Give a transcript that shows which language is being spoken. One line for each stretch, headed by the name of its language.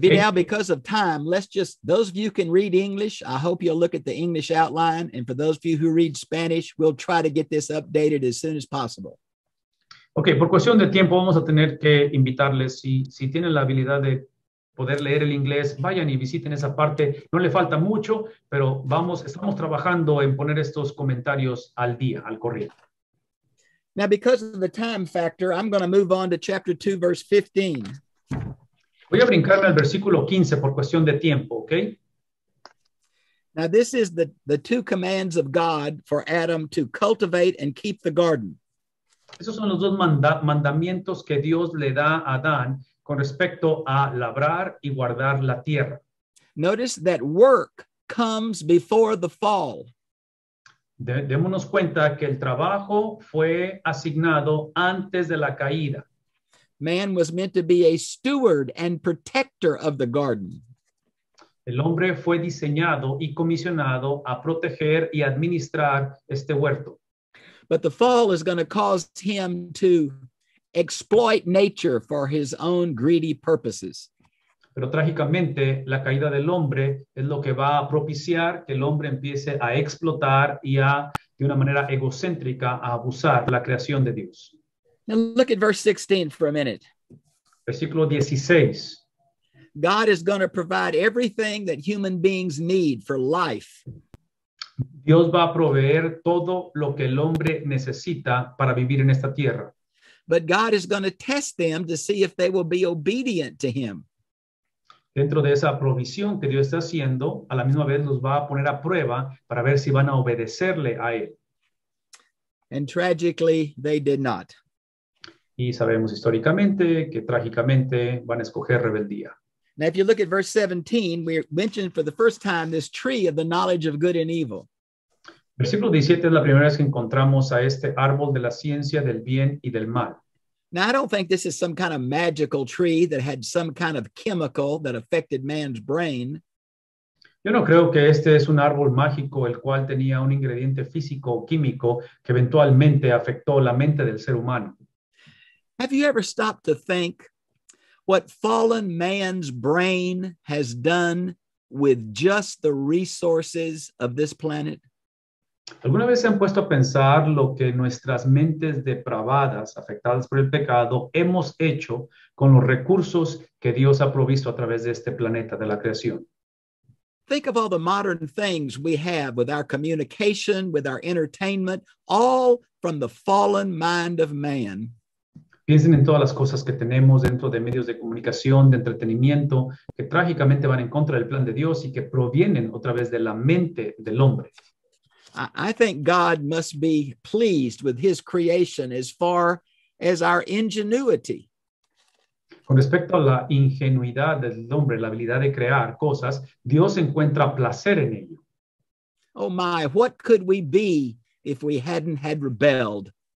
English: Vidal, because of time, let's just, those of you who can read English, I hope you'll look at the English outline. And for those of you who read Spanish, we'll try to get this updated as soon as possible.
Spanish: Ok, por cuestión de tiempo vamos a tener que invitarles. Si tienen la habilidad de poder leer el inglés, vayan y visiten esa parte. No le falta mucho, pero estamos trabajando en poner estos comentarios al día, al corriente.
English: Now, because of the time factor, I'm going to move on to chapter 2, verse 15.
Spanish: Voy a brincarme al versículo 15 por cuestión de tiempo, ¿ok?
English: Now, this is the two commands of God for Adam to cultivate and keep the garden.
Spanish: Esos son los dos mandamientos que Dios le da a Adán con respecto a labrar y guardar la tierra.
English: Notice that work comes before the fall.
Spanish: Démonos cuenta que el trabajo fue asignado antes de la caída.
English: Man was meant to be a steward and protector of the garden.
Spanish: El hombre fue diseñado y comisionado a proteger y administrar este huerto.
English: But the fall is going to cause him to exploit nature for his own greedy purposes.
Spanish: Pero trágicamente, la caída del hombre es lo que va a propiciar que el hombre empiece a explotar y a, de una manera egocéntrica, a abusar la creación de Dios.
English: Now look at verse 16 for a minute.
Spanish: Versículo 16.
English: God is going to provide everything that human beings need for life.
Spanish: Dios va a proveer todo lo que el hombre necesita para vivir en esta tierra.
English: But God is going to test them to see if they will be obedient to him.
Spanish: Dentro de esa provisión que Dios está haciendo, a la misma vez los va a poner a prueba para ver si van a obedecerle a él.
English: And tragically, they did not.
Spanish: Y sabemos históricamente que trágicamente van a escoger rebeldía.
English: Now, if you look at verse 17, we mentioned for the first time this tree of the knowledge of good and evil.
Spanish: Versículo 17 es la primera vez que encontramos a este árbol de la ciencia del bien y del mal.
English: Now, I don't think this is some kind of magical tree that had some kind of chemical that affected man's brain.
Spanish: Yo no creo que este es un árbol mágico el cual tenía un ingrediente físico o químico que eventualmente afectó la mente del ser humano.
English: Have you ever stopped to think what fallen man's brain has done with just the resources of this planet?
Spanish: ¿Alguna vez se han puesto a pensar lo que nuestras mentes depravadas, afectadas por el pecado, hemos hecho con los recursos que Dios ha provisto a través de este planeta, de la creación?
English: Think of all the modern things we have with our communication, with our entertainment, all from the fallen mind of man.
Spanish: Piensen en todas las cosas que tenemos dentro de medios de comunicación, de entretenimiento, que trágicamente van en contra del plan de Dios y que provienen otra vez de la mente del hombre.
English: I think God must be pleased with his creation as far as our ingenuity.
Spanish: Con respecto a la ingenuidad del hombre, la habilidad de crear cosas, Dios encuentra placer en ello.
English: Oh my, what could we be if we hadn't had rebelled?